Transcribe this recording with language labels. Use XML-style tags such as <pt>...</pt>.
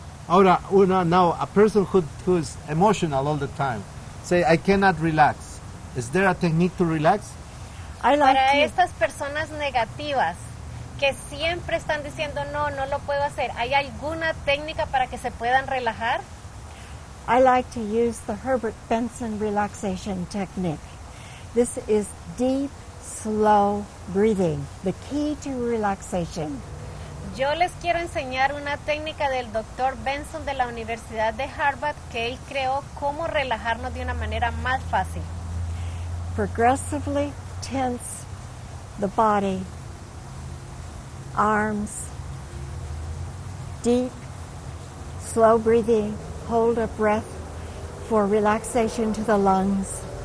<es>Ahora,</es> <en>now a person who is emotional all the time, say I cannot relax. Is there a technique to relax?</en> <es>Para estas personas negativas que siempre están diciendo no lo puedo hacer, ¿hay alguna técnica para que se puedan relajar?</es> <en>I like to use the Herbert Benson relaxation technique. This is deep, slow breathing, the key to relaxation.</en> <es>Yo les quiero enseñar una técnica del Dr. Benson de la Universidad de Harvard que él creó cómo relajarnos de una manera más fácil.</es> <en>Progressively tense the body, arms, deep, slow breathing, hold a breath for relaxation to the lungs.</en>